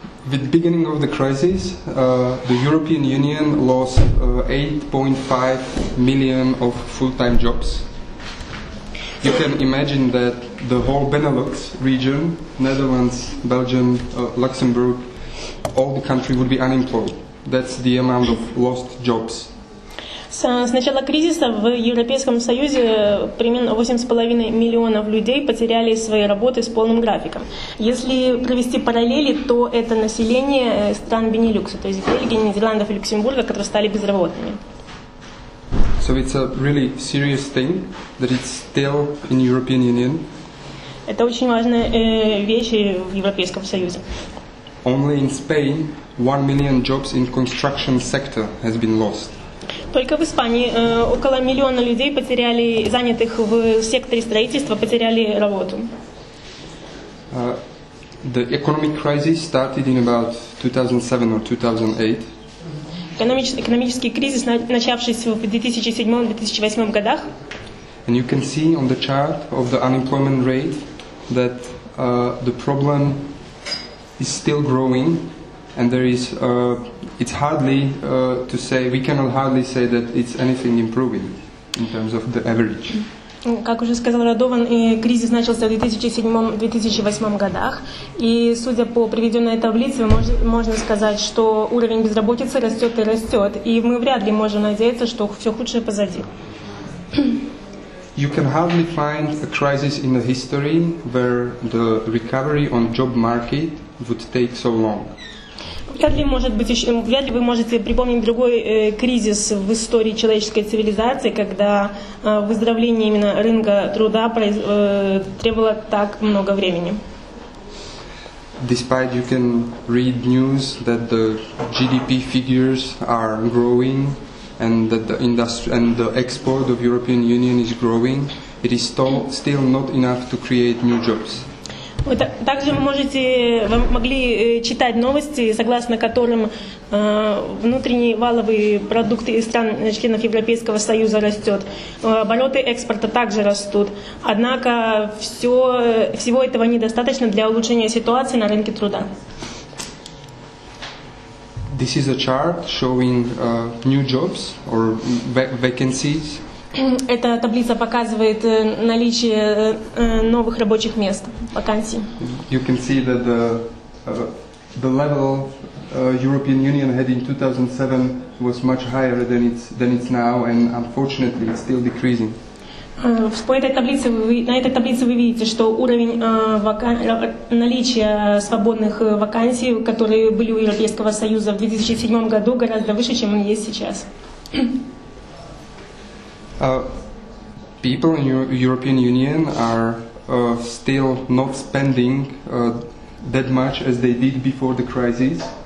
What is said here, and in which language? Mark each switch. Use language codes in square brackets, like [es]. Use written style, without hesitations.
[en] With the beginning of the crisis, the European Union lost 8.5 million of full-time jobs. You can imagine that the whole Benelux region, Netherlands, Belgium, Luxembourg, all the country would be unemployed. That's the amount of lost jobs. [ru] С начала кризиса в Европейском Союзе примерно 8,5 миллионов людей потеряли свои работы с полным графиком. Если провести параллели, то это население стран Бенилюкса, то есть Бельгии, Нидерландов и Люксембурга, которые стали безработными. [en] So it's a really serious thing that it's still in European Union. [ru] Это очень важная вещь в Европейском Союзе. [en] Only in Spain, 1 million jobs in construction sector has been lost. [ru] Только в Испании около миллиона людей потеряли, занятых в секторе строительства, потеряли работу. [en] The economic crisis started in about 2007 or 2008. [ru] Экономический кризис, начавшийся в 2007-2008 годах. [en] And you can see on the chart of the unemployment rate that the problem is still growing. And there is, it's hardly to say, we cannot hardly say that it's anything improving in terms of the average. [ru] Как уже сказал Радован, кризис начался в 2007-2008 годах. И судя по приведенной таблице, можно сказать, что уровень безработицы растет и растет. И мы вряд ли можем надеяться, что все худшее позади. [en] You can hardly find a crisis in the history where the recovery on job market would take so long. [ru] Вряд ли вы можете припомнить другой кризис в истории человеческой цивилизации, когда выздоровление именно рынка труда требовало так много времени. [en] Despite you can read news that the GDP figures are growing and that the industry and the export of European Union is growing, it is still not enough to create new jobs. [ru] Вы также могли читать новости, согласно которым внутренний валовый продукт стран-членов Европейского Союза растет. Обороты экспорта также растут. Однако всего этого недостаточно для улучшения ситуации на рынке труда. [en] This is a chart showing new jobs or vacancies. [ru] Эта таблица показывает наличие новых рабочих мест, вакансий. [en] You can see that the level European Union had in 2007 was much higher than it's now, and unfortunately it's still decreasing. [ru] На этой таблице вы видите, что уровень наличия свободных вакансий, которые были у Европейского Союза в 2007 году, гораздо выше, чем он есть сейчас. [en] People in European Union are still not spending that much as they did before the crisis.